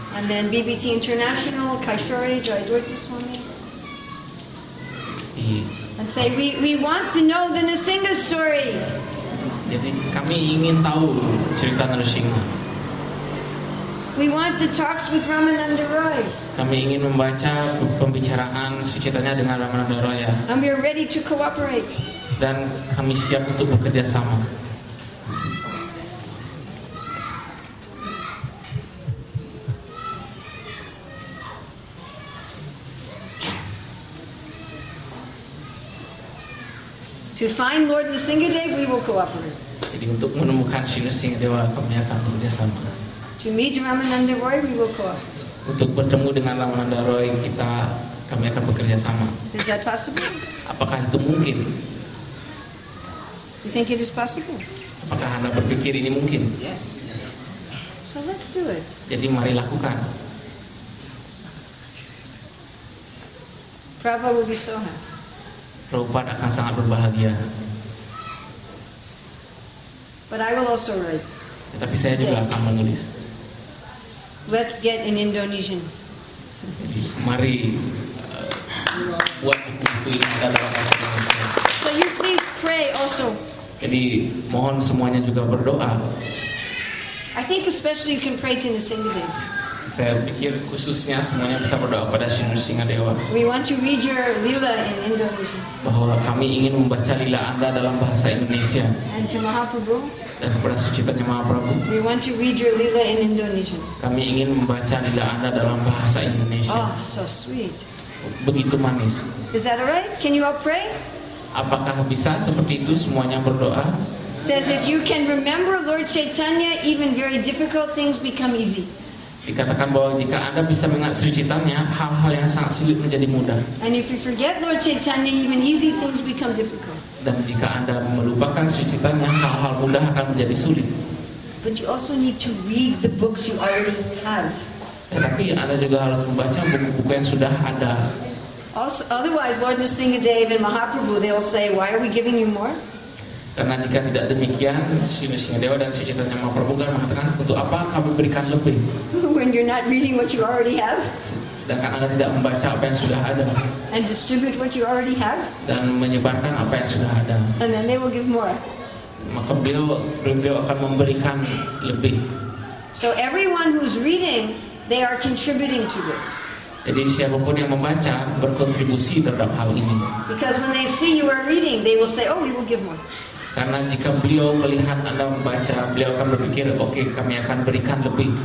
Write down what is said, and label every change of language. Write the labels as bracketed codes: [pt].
[en] And then BBT International, Kaishore, Jayadwaita Swami. And say we want to know the Nrisingha story. [id] Jadi kami ingin tahu cerita Nrisingha. [en] We want the talks with Ramananda Roy. [id] Kami ingin membaca pembicaraan Suchitanya dengan Ramananda Roy. [en] And we are ready to cooperate. [id] Dan kami siap untuk bekerja sama. [en] To find Lord Nrsingadev, we will cooperate. [id] Jadi untuk menemukan Sri Nrsingadewa, kami akan bekerja sama. [en] To meet Ramananda Roy, we will cooperate. [id] Untuk bertemu dengan Ramananda Roy, kami akan bekerja sama. [en] Is that possible? [id] Apakah itu mungkin? [en] You think it is possible? [id] Apakah Anda berpikir ini mungkin? [en] Yes. So let's do it. [id] Jadi mari lakukan. [en] Prabhupada will be so happy. [id] Prabhupada akan sangat berbahagia. [en] But I will also write. [id] Ya, tapi saya juga akan menulis. [en] Let's get an Indonesian. [id] Mari buat buku ini dalam bahasa Indonesia. [en] So you please pray also. [id] Jadi mohon semuanya juga berdoa. [en] I think especially you can pray to Nrsingadev. [id] Saya pikir khususnya semuanya bisa berdoa pada Sri Nrsingadewa. [en] We want to read your lila in Indonesian. [id] Bahwa kami ingin membaca lila Anda dalam bahasa Indonesia. [en] And to Mahaprabhu. [id] Dan kepada Sri Chaitanya Mahaprabhu. [en] We want to read your lila in Indonesian. [id] Kami ingin membaca lila Anda dalam bahasa Indonesia. [en] Oh, so sweet. [id] Begitu manis. [en] Is that alright? Can you all pray? [id] Apakah bisa seperti itu semuanya berdoa? [en] Says if you can remember Lord Chaitanya, even very difficult things become easy. [id] Dikatakan bahwa jika Anda bisa mengingat Sri Chaitanya, hal-hal yang sangat sulit menjadi mudah. [en] And if you forget Lord Chaitanya, even easy things become difficult. [id] Dan jika Anda melupakan Sri Chaitanya, hal-hal mudah akan menjadi sulit. [en] But you also need to read the books you already have. [id] Ya, tapi Anda juga harus membaca buku-buku yang sudah ada. [en] Also, otherwise, Lord Nrsingadev and Mahaprabhu, they will say, why are we giving you more? [id] Karena jika tidak demikian, Sri Nrsingadewa dan Sri Chaitanya Mahaprabhu kan mengatakan, untuk apa kami berikan lebih? [en] When you're not reading what you already have. [id] Sedangkan Anda tidak membaca apa yang sudah ada. [en] And distribute what you already have. [id] Dan menyebarkan apa yang sudah ada. [en] And then they will give more. [id] Maka beliau akan memberikan lebih. [en] So everyone who's reading, they are contributing to this. [id] Jadi siapapun yang membaca berkontribusi terhadap hal ini. [en] Because when they see you are reading, they will say, oh, we will give more. [id] Karena jika beliau melihat Anda membaca, beliau akan berpikir, okay, kami akan berikan lebih.